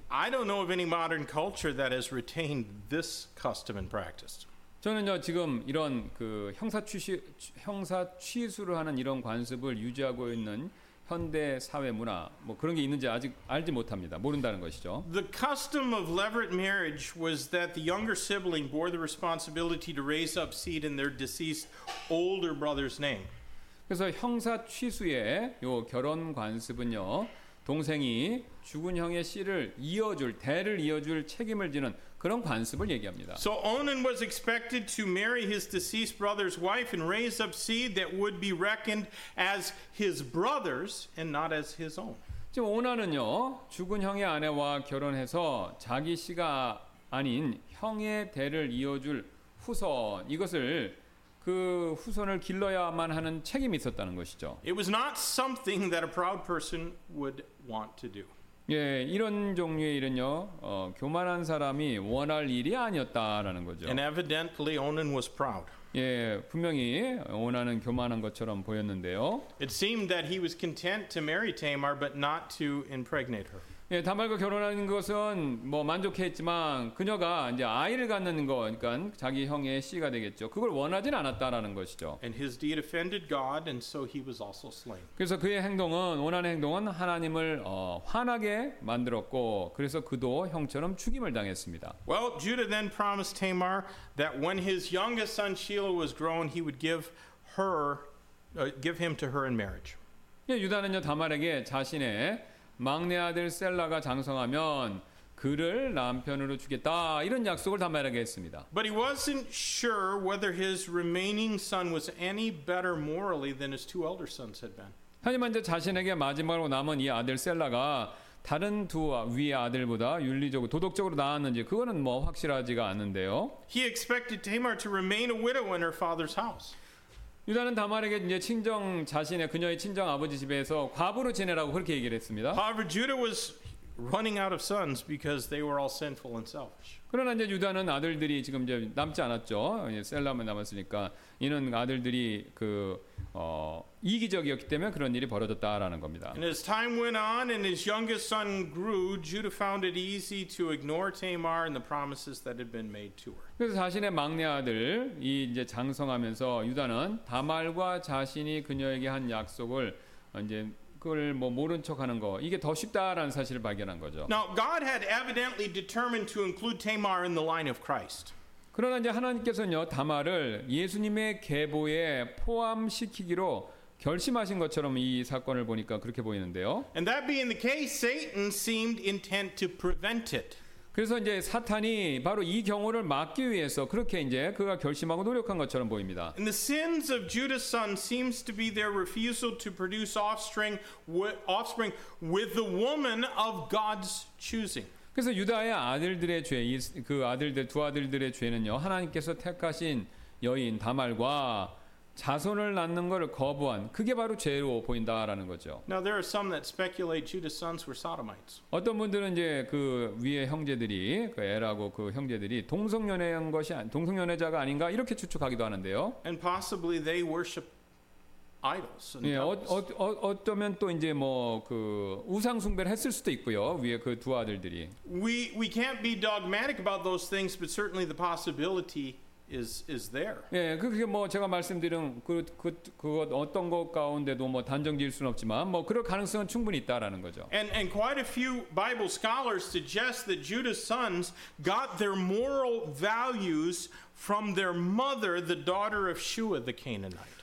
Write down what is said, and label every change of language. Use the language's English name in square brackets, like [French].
[English] I don't know of any modern culture that has retained this custom and practice. [Korean] 저는요 지금 이런 그 형사 취수를 하는 이런 관습을 유지하고 있는 현대 사회 문화 뭐 그런 게 있는지 아직 알지 못합니다. 모른다는 것이죠. [English] The custom of levirate marriage was that the younger sibling bore the responsibility to raise up seed in their deceased older brother's name. [Korean] 그래서 형사 취수의 요 결혼 관습은요 동생이 죽은 형의 씨를 이어줄 대를 이어줄 책임을 지는 그런 관습을 얘기합니다. [English] So Onan was expected to marry his deceased brother's wife and raise up seed that would be reckoned as his brother's and not as his own. [Korean] 지금 오난은요 죽은 형의 아내와 결혼해서 자기 씨가 아닌 형의 대를 이어줄 후손 이것을 그 후손을 길러야만 하는 책임이 있었다는 것이죠. [English] It was not something that a proud person would want to do. [Korean] 예, 이런 종류의 일은요, 교만한 사람이 원할 일이 아니었다라는 거죠. [English] And evidently Onan was proud. [Korean] 예, 분명히 오난은 교만한 것처럼 보였는데요. [English] It seemed that he was content to marry Tamar but not to impregnate her. [Korean] 예, 다말과 결혼하는 것은 뭐 만족했지만 그녀가 이제 아이를 갖는 거, 그러니까 자기 형의 씨가 되겠죠. 그걸 원하진 않았다라는 것이죠. [English] And his deed offended God, and so he was also slain. [Korean] 그래서 그의 행동은 원한의 행동은 하나님을 화나게 만들었고, 그래서 그도 형처럼 죽임을 당했습니다. [English] Well, Judah then promised Tamar that when his youngest son Shelah was grown, he would give her, give him to her in marriage. [Korean] 예, 유다는요 다말에게 자신의 막내 아들 셀라가 장성하면 그를 남편으로 주겠다 이런 약속을 다말에게 했습니다. [English] But he wasn't sure whether his remaining son was any better morally than his two elder sons had been. [Korean] 하지만 이제 자신에게 마지막으로 남은 이 아들 셀라가 다른 두 위의 아들보다 윤리적으로 도덕적으로 나았는지 그거는 뭐 확실하지가 않은데요. [English] He expected Tamar to remain a widow in her father's house. [Korean] 유다는 다말에게 이제 친정 자신의 그녀의 친정 아버지 집에서 과부로 지내라고 그렇게 얘기를 했습니다. [English] However, Judah was running out of sons because they were all sinful and selfish. [Korean] 그러나 이제 유다는 아들들이 지금 이제 남지 않았죠. 셀라만 남았으니까 이는 아들들이 그 이기적이었기 때문에 그런 일이 벌어졌다라는 겁니다. [English] And as time went on and his youngest son grew, Judah found it easy to ignore Tamar and the promises that had been made to her. [Korean] 그래서 자신의 막내 아들 이 이제 장성하면서 유다는 다말과 자신이 그녀에게 한 약속을 이제 그걸 뭐 모른 척하는 거 이게 더 쉽다라는 사실을 발견한 거죠. [English] Now God had evidently determined to include Tamar in the line of Christ. [Korean] 그러나 이제 하나님께서는요 다말을 예수님의 계보에 포함시키기로 결심하신 것처럼 이 사건을 보니까 그렇게 보이는데요. [English] And that being the case, Satan seemed intent to prevent it. [Korean] 그래서 이제 사탄이 바로 이 경우를 막기 위해서 그렇게 이제 그가 결심하고 노력한 것처럼 보입니다. [English] And the sins of Judah's son seems to be their refusal to produce offspring with the woman of God's choosing. [Korean] 그래서 유다의 아들들의 죄, 그 아들들 두 아들들의 죄는요, 하나님께서 택하신 여인 다말과 자손을 낳는 것을 거부한 그게 바로 죄로 보인다라는 거죠. [English] Now there are some that speculate Judah's sons were sodomites. [Korean] 어떤 분들은 이제 그 위의 형제들이 그 에라고 그 형제들이 동성연애한 것이 동성연애자가 아닌가 이렇게 추측하기도 하는데요. [English] And possibly they worship idols. [Korean] 네, 어쩌면 또 이제 뭐 그 우상 숭배를 했을 수도 있고요. 위의 그 두 아들들이. [English] We can't be dogmatic about those things, but certainly the possibility. Is there? [Korean] 예, 그게 뭐 제가 말씀드린 그것 어떤 것 가운데도 뭐 단정 지을 수는 없지만 뭐 그럴 가능성은 충분히 있다라는 거죠. [English] And quite a few Bible scholars suggest that Judah's sons got their moral values from their mother, the daughter of Shua, the Canaanite.